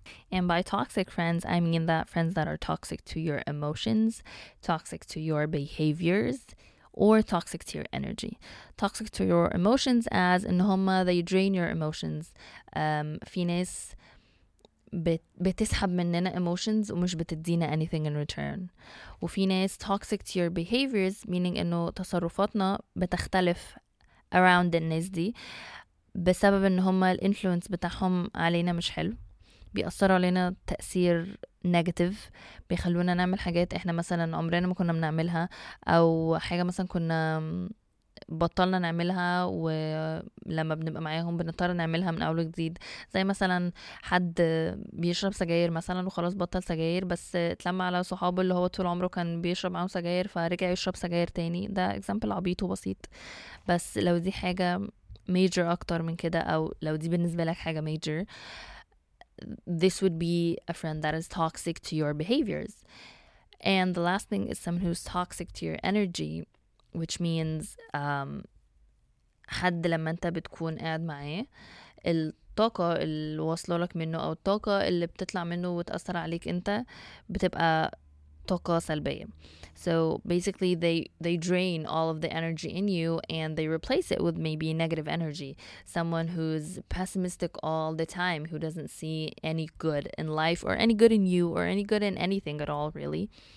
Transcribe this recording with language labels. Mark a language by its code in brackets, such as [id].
[en] And by toxic friends, I mean that friends that are toxic to your emotions, toxic to your behaviors, or toxic to your energy. Toxic to your emotions as in homa, they drain your emotions. [ar] Finis بتسحب مننا emotions ومش بتدينا [en] anything in return. [ar] وفي ناس [en] toxic to your behaviors meaning [ar] انه تصرفاتنا بتختلف around الناس دي بسبب ان هما الانفلونس بتاعهم علينا مش حلو, بيأثروا علينا تأثير negative, بيخلونا نعمل حاجات احنا مثلا عمرنا ما كنا بنعملها او حاجة مثلا كنا بطلنا نعملها ولما بنبقى معاهم بنضطر نعملها من اول جديد. زي مثلا حد بيشرب سجاير مثلا وخلاص بطل سجاير, بس اتلمع على صحابه اللي هو طول عمره كان بيشرب معاهم سجاير فرجع يشرب سجاير تاني. ده اكزامبل عبيط وبسيط, بس لو دي حاجة ميجر اكتر من كده او لو دي بالنسبة لك حاجة ميجر, [en] this would be a friend that is toxic to your behaviors. And the last thing is someone who's toxic to your energy, which means [ar] حد لما انت بتكون قاعد معاه الطاقة اللي وصله لك منه او الطاقة اللي بتطلع منه وتأثر عليك انت بتبقى طاقة سلبية. [en] So basically they drain all of the energy in you and they replace it with maybe negative energy. Someone who's pessimistic all the time, who doesn't see any good in life or any good in you or any good in anything at all, really.